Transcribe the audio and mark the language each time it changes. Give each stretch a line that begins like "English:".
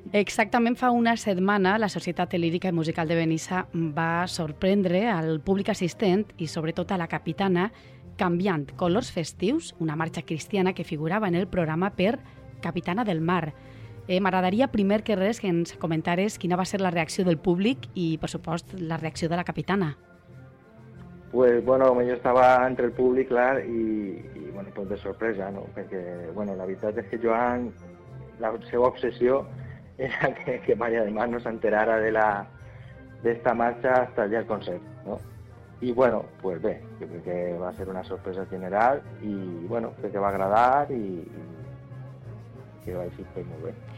Catalan: Exactament fa una setmana la Societat Lírica i Musical de Benissa va sorprendre al públic assistent i sobretot a la capitana canviant colors festius, una marxa cristiana que figurava en el programa per Capitana del Mar. M'agradaria primer que res que ens comentares quina va ser la reacció del públic i, per supost, la reacció de la capitana.
Spanish: Pues bueno, yo estaba entre el públic, clar, i bueno, pues de sorpresa, ¿no?
Catalan: Perquè, bueno, la veritat és que Joan, la seva obsessió era que
Spanish: María del Mar no se enterara de la de esta marcha hasta el día del concierto, ¿no? Y bueno, pues ve, yo creo que va a ser una sorpresa general y bueno, creo que va a agradar y que va a ir muy bien.